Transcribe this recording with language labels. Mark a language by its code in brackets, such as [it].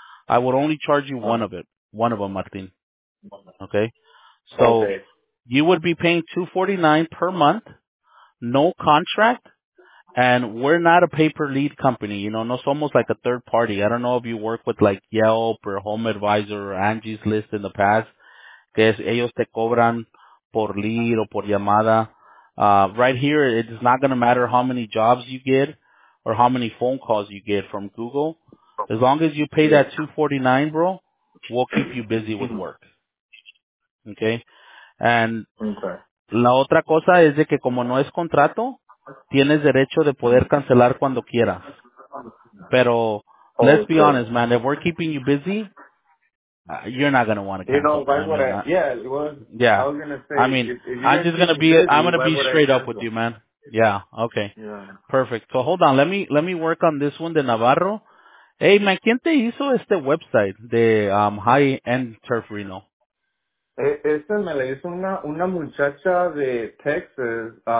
[en] I would only charge you one of them, Martin. Okay? So you would be paying $249 per month, no contract, and we're not a pay-per-lead company. You know, no somos like a third party. I don't know if you work with like Yelp or Home Advisor or Angie's List in the past. [es] Que ellos te cobran por lead o por llamada. [en] Right here, it is not going to matter how many jobs you get or how many phone calls you get from Google. As long as you pay that $249, bro, we'll keep you busy with work. Okay? [es] And la otra cosa es de que como no es contrato, tienes derecho de poder cancelar cuando quieras. [en] Pero let's be honest, man, if we're keeping you busy, you're not gonna want to cancel. You know, why would I? Yeah, it was. Yeah. I was gonna say. I mean, I'm just gonna be. I'm gonna be straight up with you, man. Yeah. Okay. Yeah. Perfect. So hold on. Let me work on this one de Navarro. [es] Hey, man, ¿quién te hizo este website de High End Turf Reno? Esta me la hizo una muchacha de Texas.